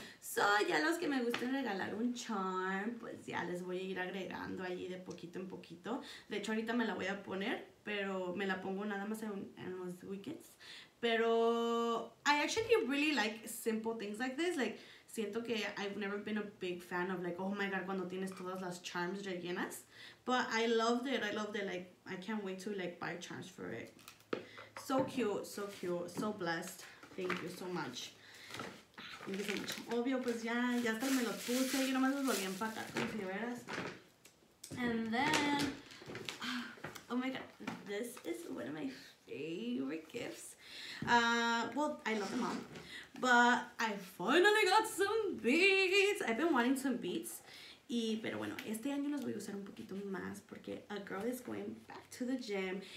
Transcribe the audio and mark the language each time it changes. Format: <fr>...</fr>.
<es>So, ya los que me gusten regalar un charm, pues ya les voy a ir agregando ahí de poquito en poquito. De hecho, ahorita me la voy a poner, pero me la pongo nada más en los weekends.</es> <en>Pero I actually really like simple things like this. Like,</en> <es>siento que</es> <en>I've never been a big fan of like, oh my God,</en> <es>cuando tienes todas las charms rellenas.</es> <en>But I loved it. I loved it. Like, I can't wait to like buy charms for it. So cute. So cute. So blessed. Thank you so much. Thank you so much.</en> <es>Obvio, pues ya, ya hasta me los puse. Yo nomás los volví a empacar. Como si veras.</es> <en>And then, oh my God, this is one of my favorite gifts. I love them all. But I finally got some beads. I've been wanting some beads.</en> <es>Y, pero bueno, este año los voy a usar un poquito más porque</es> <en>a girl is going back to the gym.</en>